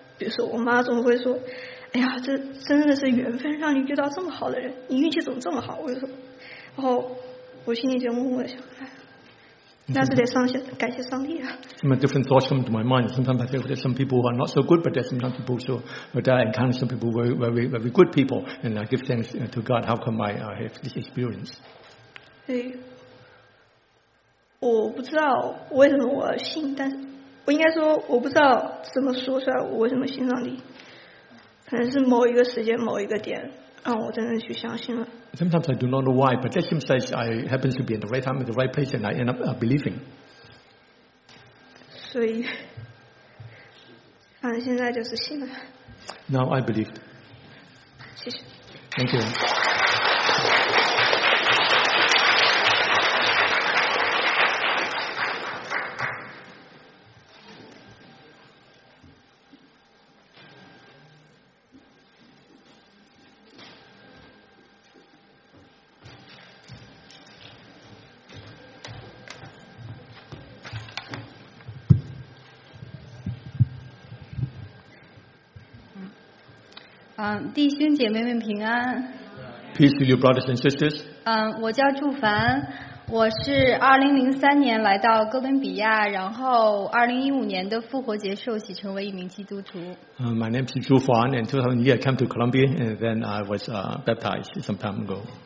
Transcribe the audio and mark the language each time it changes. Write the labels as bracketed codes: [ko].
[zh] 比如说我妈总会说哎呀这真的是缘分让你遇到这么好的人你运气怎么这么好我就说然后我心里就默默地想那是得上帝感谢上帝啊 [en] Some different thoughts come to my mind. Sometimes I think there's some people who are not so good, but there's some people who are there and kind of some people who are very good people. And I give thanks to God. How come I have this experience? [zh] 对我不知道为什么我信但是我应该说我不知道怎么说出来我为什么信上帝可能是某一个时间某一个点让我真的去相信了 [en] Sometimes I do not know why but that seems like I happen to be in the right time at the right place and I end up believing [zh] 所以反正现在就是信了 [en] Now I believe [zh] 谢谢 [en] Thank you [zh] 弟兄姐妹们平安。 [en] Peace to you, brothers and sisters. [zh] 我叫祝凡，我是2003年来到哥伦比亚，然后2015年的复活节受洗成为一名基督徒。 [en] My name is Zhu Fan, and 2001 I came to Colombia, and then I was baptized some time ago.